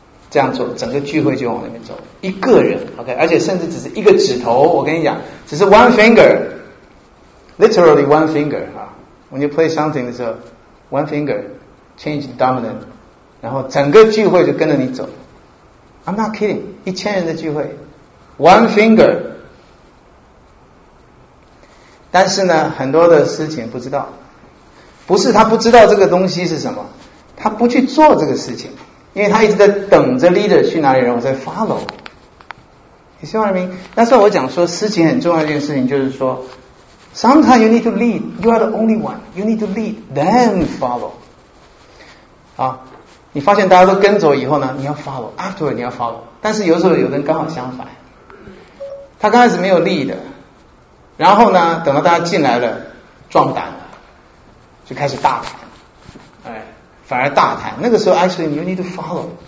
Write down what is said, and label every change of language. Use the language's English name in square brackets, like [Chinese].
[Chinese] 这样做，整个聚会就往那边走，一个人 ，OK， 而且甚至只是一个指头，我跟你讲，只是 one finger， [English] literally one finger [Chinese] 啊 ， [English] when you play something [Chinese] 的时候 ， [English] one finger change dominant， [Chinese] 然后整个聚会就跟着你走。 [English] I'm not kidding， [Chinese] 一千人的聚会 [English] ，one finger。 [Chinese] 但是呢，很多的事情不知道，不是他不知道这个东西是什么，他不去做这个事情，因为他一直在等着 leader 去哪里，然后再 follow。你希望明？那时候我讲说，事情很重要的一件事情就是说 [English] ，sometimes you need to lead， you are the only one， you need to lead then follow。啊。 [Chinese] 你发现大家都跟走以后呢，你要 follow， afterward 你要 follow， 但是有时候有人刚好相反，他刚开始没有力的，然后呢等到大家进来了壮胆了，就开始大谈，反而大谈，那个时候 [English] actually you need to follow，